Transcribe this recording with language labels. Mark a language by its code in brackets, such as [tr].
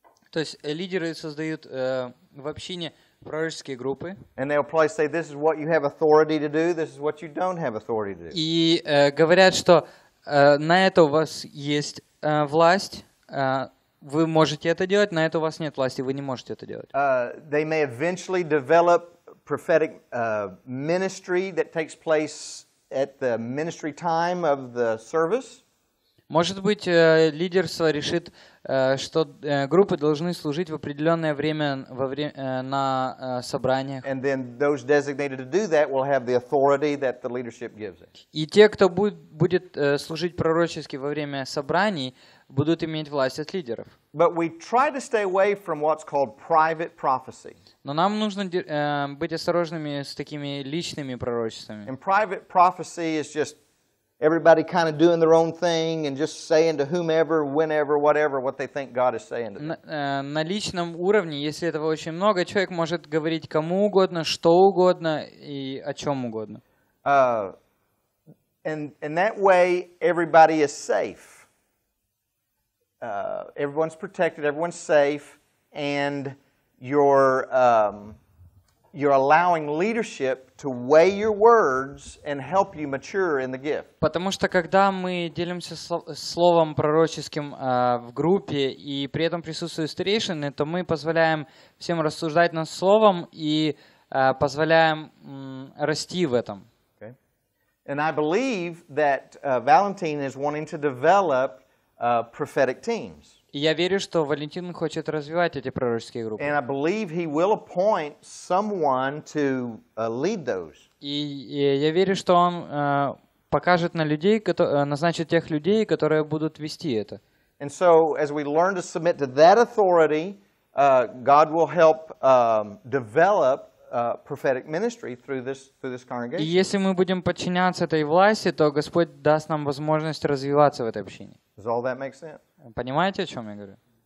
[ru] То есть лидеры создают в общине пророческие группы. [en] And they'll probably say, this is what you have authority to do, this is what you don't have authority to do. [ru] И говорят, что на это у вас есть власть, вы можете это делать, на это у вас нет власти, вы не можете это делать. [en] They may eventually develop prophetic ministry that takes place at the ministry time of the service. [ru] Может быть, лидерство решит, что группы должны служить в определенное время на собраниях. [en] And then those designated to do that will have the authority that the leadership gives it. [ru] И те, кто будет служить пророчески во время собраний, будут иметь власть от лидеров. [en] But we try to stay away from what's called private prophecy. [ru] Но нам нужно быть осторожными с такими личными пророчествами. [en] And private prophecy is just everybody kind of doing their own thing and just saying to whomever, whenever, whatever, what they think God is saying to them. [ru] На личном уровне, если этого очень много, человек может говорить кому угодно, что угодно и о чем угодно. [en] And that way everybody is safe. Everyone's protected, everyone's safe, and you're allowing leadership to weigh your words and help you mature in the gift. [ru] Потому что когда мы делимся словом пророческим в группе и при этом присутствуют старейшины, то мы позволяем всем рассуждать над словом и позволяем расти в этом. [en] Okay. And I believe that Valentin is wanting to develop prophetic teams. [ru] Я верю, что Валентин хочет развивать эти пророческие группы. [en] And I believe he will appoint someone to lead those. [ru] И я верю, что он покажет на людей, назначит тех людей, которые будут вести это. [en] And so, as we learn to submit to that authority, God will help develop prophetic ministry through this congregation. [ru] И если мы будем подчиняться этой власти, то Господь даст нам возможность развиваться в этой общине. [en] Does all that make sense? [ru] Понимаете, о чем я говорю?